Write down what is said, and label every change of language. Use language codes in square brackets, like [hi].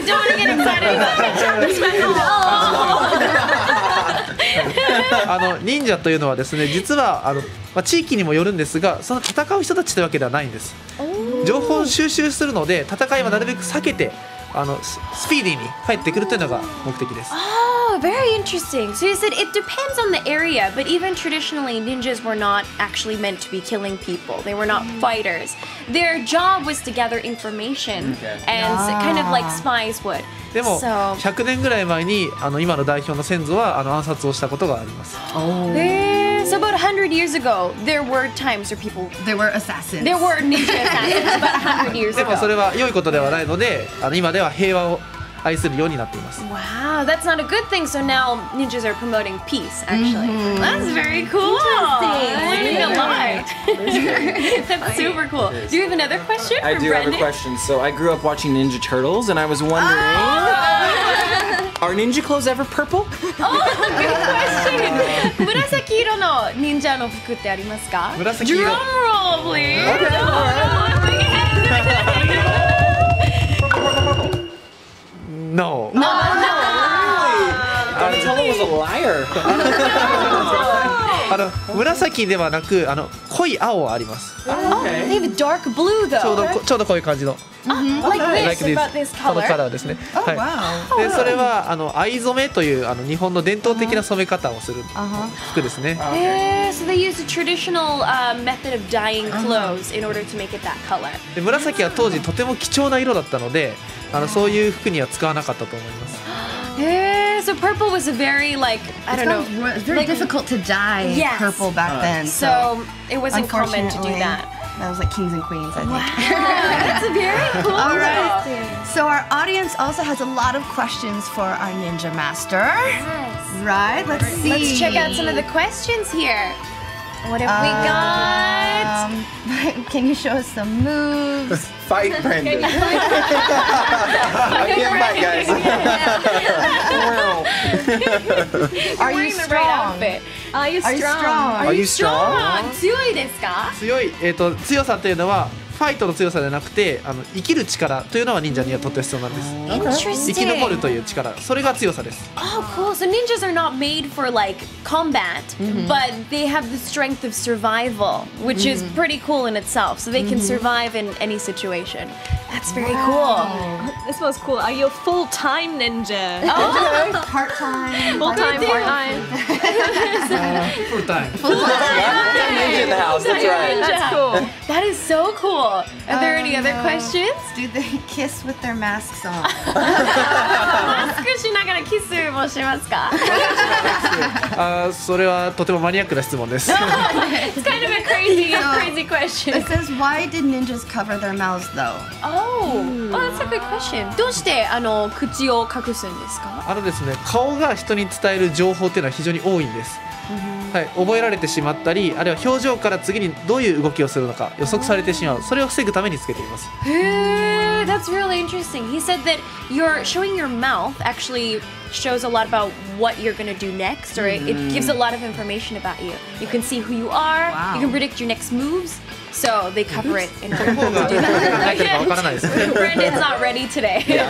[en] Don't want to get excited about it! [ja] あの忍者というのはですね、実はあの、まあ、地域にもよるんですが、その戦う人たちというわけではないんです。情報収集するので、戦いはなるべく避けて、あのスピーディーに帰ってくるというのが目的です。ああ、 [en] Oh, very interesting. So you said it depends on the area, but even traditionally, ninjas were not actually meant to be killing people. They were not fighters. Their job was to gather information, and kind of like spies would. [ja] でも100年ぐらい前にあの今の代表の先祖はあの暗殺をしたことがあります。 [en] Oh. So about 100 years ago, there were times where people there were assassins. There were ninja assassins about 100 years ago. [ja] でもそれは良いことではないので、あの今では平和を愛するようになっています。 [en] Wow, that's not a good thing. So now ninjas are promoting peace. Actually, that's very cool. Interesting. I mean, a lot. That's super cool. Do you have another question? I do have a question. So I grew up watching Ninja Turtles, and I was wondering. Are ninja clothes ever purple? Oh, good question! [ja] 紫色の忍者の服ってありますか? 紫色? [en] Drum roll, please! No! No! No! Donatello was a liar! [ja] あの紫ではなくあの濃い青はあります。 [en] They have a dark blue though. [ja] ちょうどこういう感じの。 [en] Like this, about this color. [ja] このカラーですね。 [en] Oh, wow. [ja] でそれはあの藍染めというあの日本の伝統的な染め方をする服ですね。 [en] Uh-huh. Okay. So they use a traditional method of dyeing clothes in order to make it that color. [ja] で紫は当時とても貴重な色だったのであのそういう服には使わなかったと思います。 [en] So purple was a very like I don't know, very like, difficult to dye yes. purple back then. So it wasn't common to do that. That was like kings and queens, I think. Wow, that's very cool. All right. So our audience also has a lot of questions for our ninja master. Yes. Right. Let's see. Let's check out some of the questions here. What have we got? Can you show us some moves? Fight, Brandon. I can't fight, guys. Are you strong? Are you strong? Are you strong? [ja] 強いですか? 強い。強さというのはファイトの強さではなくてあの生きる力というのは忍者にはとって必要なんです。生き残るという力、それが強さです。 [en] Oh, cool. So ninjas are not made for like combat, but they have the strength of survival, which is pretty cool in itself. So they can survive in any situation. That's very cool. This was cool. Are you a full-time ninja? Oh, part-time. Full-time, part-time. Full-time. Full-time ninja in the house. That's right. That's cool. That is so cool. Are there any other questions? Do they kiss with their masks on? [ja] マスクしながらキスもしますか? それはとてもマニアックな質問です。 [en] It's kind of a crazy question. It says, why did ninjas cover their mouths though? That's a good question. [ja] どうしてあの口を隠すんですか? あのですね、顔が人に伝える情報っていうのは非常に多いんです。はい、覚えられてしまったり、あるいは表情から次にどういう動きをするのか予測されてしまう。それを防ぐためにつけています。 [en] That's really interesting. He said that your showing your mouth actually shows a lot about what you're gonna do next, or it gives a lot of information about you. You can see who you are. Wow. You can predict your next moves. So they cover it in order to do that. Brandon's not ready today.